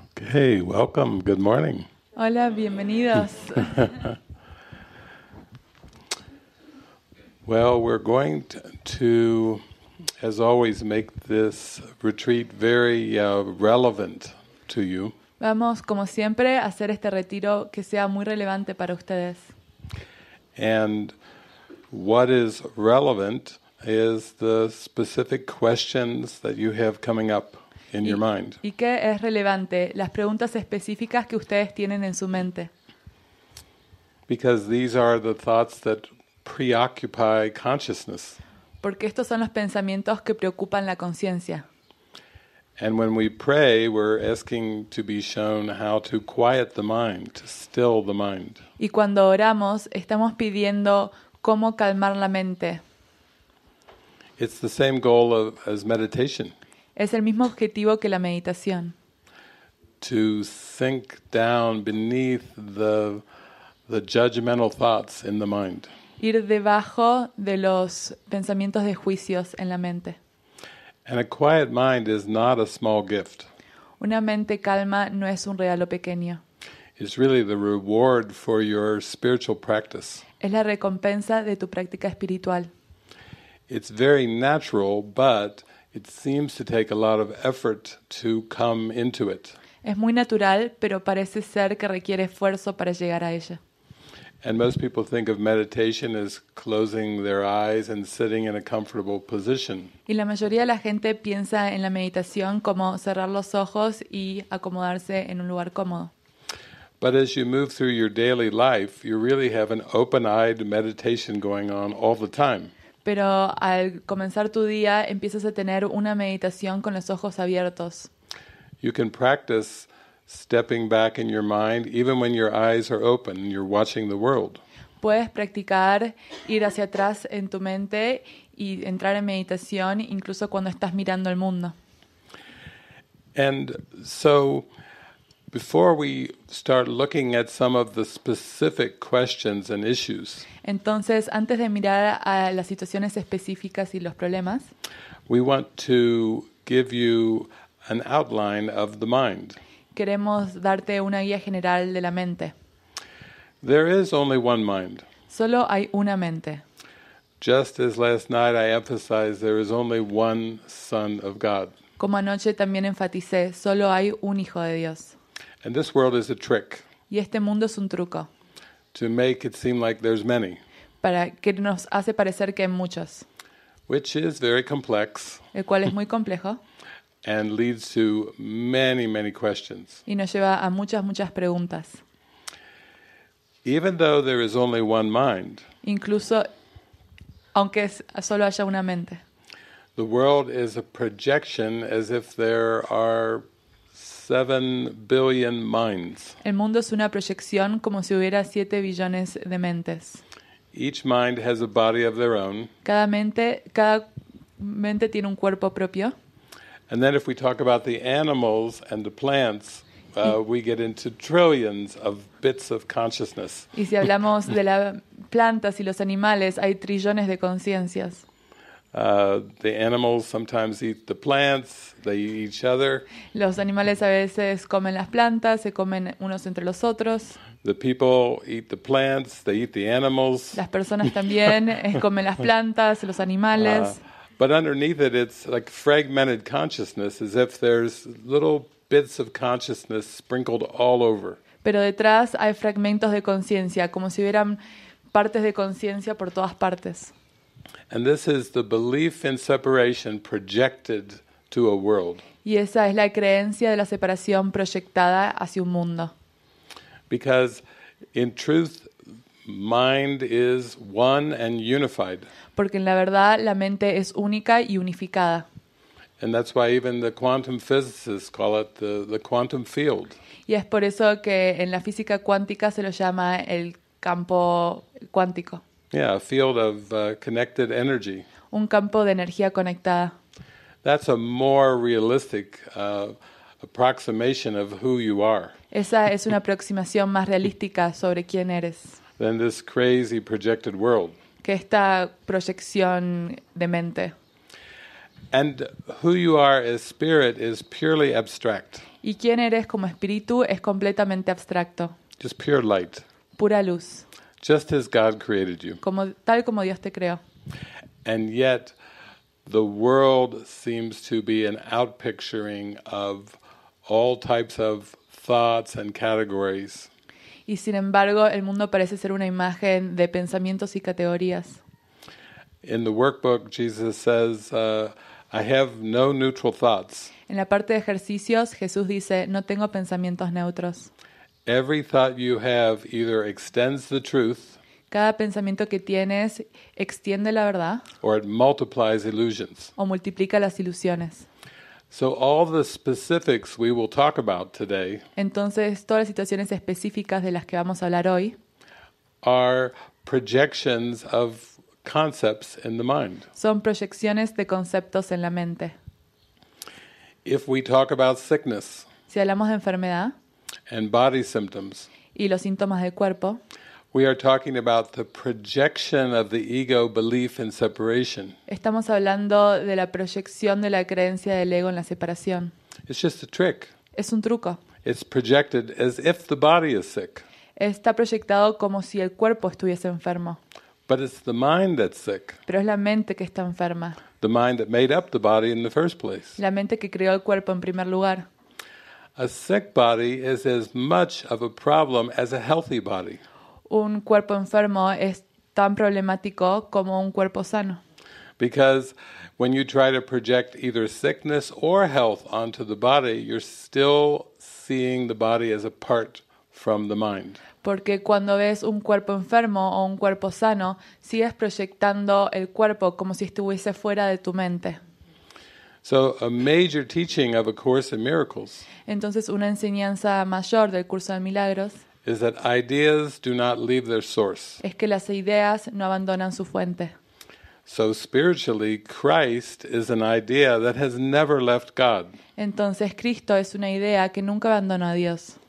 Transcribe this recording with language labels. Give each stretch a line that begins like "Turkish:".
English: Hey, welcome. Good morning.
Spanish: Hola, bienvenidos.
English: Well, we're going to, as always, make this retreat very relevant to you.
Spanish: Vamos, como siempre, a hacer este retiro que sea muy relevante para ustedes.
English: And what is relevant is the specific questions that you have coming up. In your mind.
Spanish: ¿Y qué es relevante? Las preguntas específicas que ustedes tienen en su mente.
English: Because these are the thoughts that preoccupy consciousness.
Spanish: Porque estos son los pensamientos que preocupan la conciencia.
English: And when we pray, we're asking to be shown how to quiet the mind, to still the mind.
Spanish: Y cuando oramos, estamos pidiendo cómo calmar la mente.
English: It's the same goal as meditation.
Spanish: Es el mismo objetivo que la meditación.
English: To sink down beneath the judgmental thoughts in the mind.
Spanish: Ir debajo de los pensamientos de juicios en la mente.
English: And a quiet mind is not a small gift.
Spanish: Una mente calma no es un regalo pequeño.
English: It's really the reward for your spiritual practice.
Spanish: Es la recompensa de tu práctica espiritual.
English: It's very natural, but it seems to take a lot of effort to come into it.
Spanish: Es muy natural, pero parece ser que requiere esfuerzo para llegar a ella.
English: And most people think of meditation as closing their eyes and sitting in a comfortable position.
Spanish: Y la mayoría de la gente piensa en la meditación como cerrar los ojos y acomodarse en un lugar cómodo.
English: But as you move through your daily life, you really have an open-eyed meditation going on all the time.
Spanish: Pero al comenzar tu día empiezas a tener una meditación con los ojos abiertos.
English: You can practice stepping back in your mind even when your eyes are open and you're watching the world.
Spanish: Puedes practicar ir hacia atrás en tu mente y entrar en meditación incluso cuando estás mirando el mundo.
English: And so before we start looking at some of the specific questions and issues,
Spanish: entonces, antes de mirar a las situaciones específicas y los problemas,
English: we want to give you an outline of the mind.
Spanish: Queremos darte una guía general de la mente.
English: There is only one mind.
Spanish: Solo hay una mente.
English: Just as last night I emphasized, there is only one Son of God.
Spanish: Como anoche también enfaticé, solo hay un Hijo de Dios.
English: And this world is a trick.
Spanish: Y este mundo es un truco.
English: To make it seem like there's many.
Spanish: Para que nos hace parecer que hay muchos.
English: Which is very complex.
Spanish: El cual es muy complejo.
English: And leads to many, many questions.
Spanish: Y nos lleva a muchas, muchas preguntas.
English: Even though there is only one mind.
Spanish: Incluso aunque solo haya una mente.
English: The world is a projection as if there are 7 billion minds.
Spanish: El mundo es una proyección como si hubiera 7 billones de mentes.
English: Each mind has a body of their own.
Spanish: Cada mente tiene un cuerpo propio.
English: And then if we talk about the animals and the plants, we get into trillions of bits of consciousness.
Spanish: Y si hablamos de las plantas y los animales, hay trillones de conciencias.
English: The animals sometimes eat the plants, they eat each other.
Spanish: Los animales a veces comen las plantas, se comen unos entre los otros.
English: The people eat the plants, they eat the animals.
Spanish: Las personas también comen las plantas, los animales.
English: But underneath it, it's like fragmented consciousness, as if there's little bits of consciousness sprinkled all over.
Spanish: Pero detrás hay fragmentos de conciencia, como si hubieran partes de conciencia por todas partes.
English: And this is the belief in separation projected to a world.
Spanish: Y esa es la creencia de la separación proyectada hacia un mundo.
English: Because in truth, mind is one and unified.
Spanish: Porque en la verdad la mente es única y unificada.
English: And that's why even the quantum physicists call it the quantum field.
Spanish: Y es por eso que en la física cuántica se lo llama el campo cuántico.
English: Yeah, a field of connected energy.
Spanish: Un campo de energía conectada.
English: That's a more realistic approximation of who you are.
Spanish: Esa es una aproximación más realística sobre quién eres.
English: Than this crazy projected world.
Spanish: Que esta proyección de mente.
English: And who you are as spirit is purely abstract.
Spanish: Y quién eres como espíritu es completamente abstracto.
English: Just pure light.
Spanish: Pura luz.
English: Just as God created you.
Spanish: Como, tal como Dios te creó.
English: And yet, the world seems to be an outpicturing of all types of thoughts and categories.
Spanish: Y sin embargo, el mundo parece ser una imagen de pensamientos y categorías.
English: In the workbook, Jesus says, I have no neutral thoughts.
Spanish: En la parte de ejercicios, Jesús dice, no tengo pensamientos neutros.
English: Every thought you have either extends the truth.
Spanish: Cada pensamiento que tienes extiende la verdad.
English: Or it multiplies illusions.
Spanish: O multiplica las ilusiones.
English: So all the specifics we will talk about today.
Spanish: Entonces todas las situaciones específicas de las que vamos a hablar hoy.
English: Are projections of concepts in the mind.
Spanish: Son proyecciones de conceptos en la mente.
English: If we talk about sickness.
Spanish: Si hablamos de enfermedad.
English: And body symptoms.
Spanish: Y los síntomas del cuerpo.
English: We are talking about the projection of the ego belief in separation.
Spanish: Estamos hablando de la proyección de la creencia del ego en la separación.
English: It's just a trick.
Spanish: Es un truco.
English: It's projected as if the body is sick.
Spanish: Está proyectado como si el cuerpo estuviese enfermo.
English: But it's the mind that's sick.
Spanish: Pero es la mente que está enferma.
English: The mind that made up the body in the first place.
Spanish: La mente que creó el cuerpo en primer lugar.
English: A sick body is as much of a problem as a healthy body.
Spanish: Un cuerpo enfermo es tan problemático como un cuerpo sano.
English: Because when you try to project either sickness or health onto the body, you're still seeing the body as apart from the mind.
Spanish: Porque cuando ves un cuerpo enfermo o un cuerpo sano, sigues proyectando el cuerpo como si estuviese fuera de tu mente.
English: So a major teaching of a Course in Miracles.
Spanish: Entonces una enseñanza mayor del curso de milagros.
English: Is that ideas do not leave their source.
Spanish: Es que las ideas no abandonan su fuente.
English: So spiritually, Christ is an idea that has never left God.
Spanish: Entonces Cristo es una idea que nunca abandonó a Dios.